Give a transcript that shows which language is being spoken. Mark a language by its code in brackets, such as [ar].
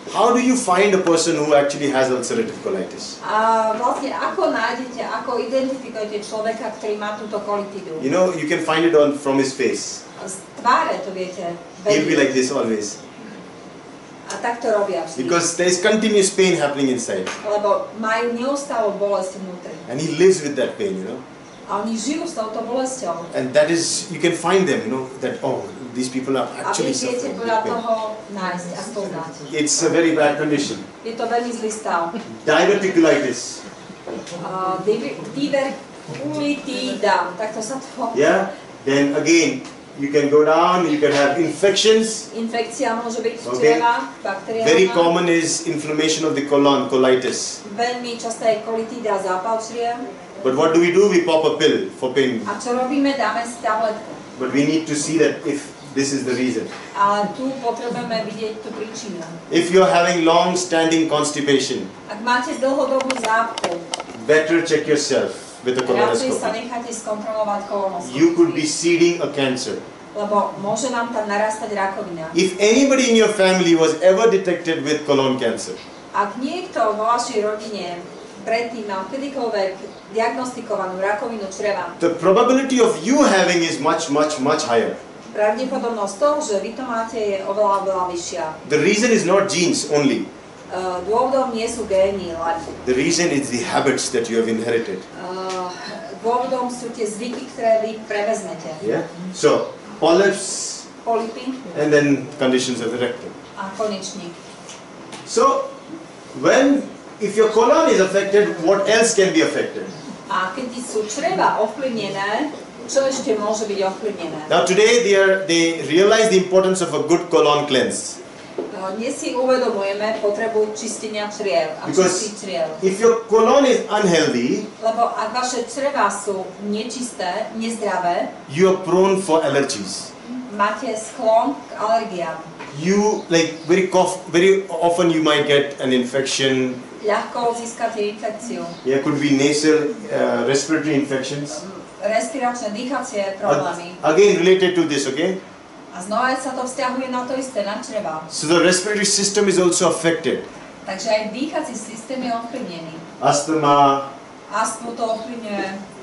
[en] How do you find a person who actually has ulcerative colitis? [sk] A vlastne ako nájdete, ako identifikujete človeka, ktorý má túto kolitídu? [en] You know, you can find it from his face. [sk] Z tváre to viete. [en] He'll be like this always. [sk] A tak to robia vždy. [en] Because there is continuous pain happening inside. [sk] Lebo majú neustálu bolesť vnútri. [en] And he lives with that pain, you know. [sk] A oni žijú s touto bolesťou. [en] And that is, you can find them, you know, that, oh, these people are actually suffering. [sk] A vy viete podľa toho nájsť a spoznať. [en] It's a very bad condition. [sk] Je to veľmi zlý stav. [en] Diverticulitis. [sk] Diverticulitida, tak to sa to... [en] Yeah, then again, you can go down, you can have infections. [sk] Infekcia môže byť v čreva, bakteriálna. [en] Very common is inflammation of the colon, colitis. [sk] Veľmi často je colitida, zápal čria. [en] But what do? We pop a pill for pain. [sk] A čo robíme? Dáme si tabletku. [en] But we need to see that if this is the reason. [sk] A tu potrebujeme vidieť tú príčinu. [en] If you're having long standing constipation. [sk] Ak máte dlhodobú zápchu. [en] Better check yourself with a colonoscopy. [sk] Radšej sa necháte skontrolovať kolonoskopy. [en] You could be seeding a cancer. [sk] Lebo môže nám tam narastať rakovina. [en] If anybody in your family was ever detected with colon cancer. [sk] Ak niekto vo vašej rodine predtým mal kedykoľvek diagnostikovanú rakovinu čreva. [en] The probability of you having is much, much, much higher. [sk] Pravdepodobnosť toho, že vy to máte, je oveľa, oveľa vyššia. [en] The reason is not genes only. [sk] Dôvodom nie sú gény, ale... [en] The reason is the habits that you have inherited. [sk] Dôvodom sú tie zvyky, ktoré vy preveznete. [en] Yeah? So, polyps... [sk] Polypy. [en] And then conditions of the rectum. [sk] A konečník. [en] So, when... If your colon is affected, what else can be affected? [sk] A keď sú čreva ovplyvnené, čo ešte môže byť ovplyvnené? [en] Now today they realize the importance of a good colon cleanse. [sk] Dnes si uvedomujeme potrebu čistenia čriev a čistiť čriev. [en] If your colon is unhealthy, [sk] lebo ak vaše čreva sú nečisté, nezdravé, [en] you are prone for allergies. [sk] Máte sklon k alergiám. [en] You like very cough, very often you might get an infection. [sk] Ľahko získate infekciu. [en] Yeah, could be nasal respiratory infections. [sk] Respiračné dýchacie problémy. [en] Again related to this, okay? [sk] A znova sa to vzťahuje na to isté, na čreva. [en] So the respiratory system is also affected. [sk] Takže aj dýchací systém je ovplyvnený. Astma. Astmu to ovplyvňuje.